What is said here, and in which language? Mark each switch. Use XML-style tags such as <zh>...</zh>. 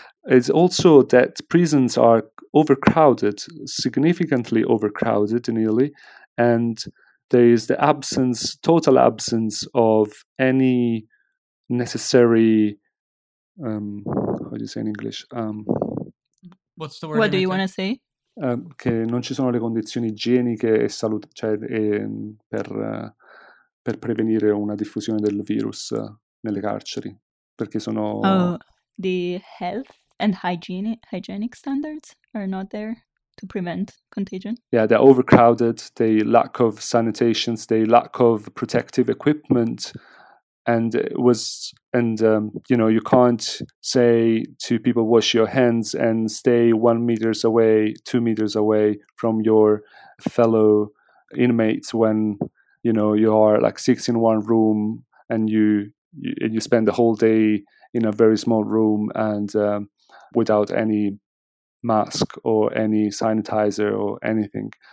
<en>It's also that prisons are overcrowded, significantly overcrowded in Italy, and there is the absence, total absence of any necessary, how do you say in English? What's the word? What do you want to say?</en> <it>Che non ci sono le condizioni igieniche e salute, cioè per prevenire una diffusione del virus nelle carceri, perché sono...</it> <en>The health and hygienic standards are not there to prevent contagion. Yeah, they're overcrowded, they lack of sanitation, they lack of protective equipment. And it was, and you know, you can't say to people, wash your hands and stay 1 meter away, 2 meters away from your fellow inmates when, you know, you are like six in one room and you spend the whole day in a very small room and without any mask or any sanitizer or anything.</en>